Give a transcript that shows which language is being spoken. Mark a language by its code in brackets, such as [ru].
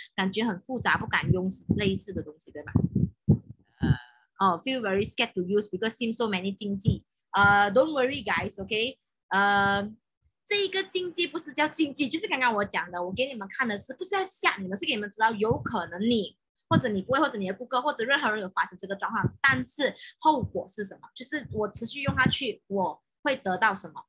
[zh] 感觉很复杂，不敢用类似的东西，对吧？ [en] feel very scared to use because seems so many 禁忌。 don't worry guys, okay? [zh] 这一个禁忌不是叫禁忌，就是刚刚我讲的，我给你们看的是不是要吓你们，是给你们知道有可能你或者你不会或者你的顾客或者任何人有发生这个状况，但是后果是什么？就是我持续用它去，我会得到什么？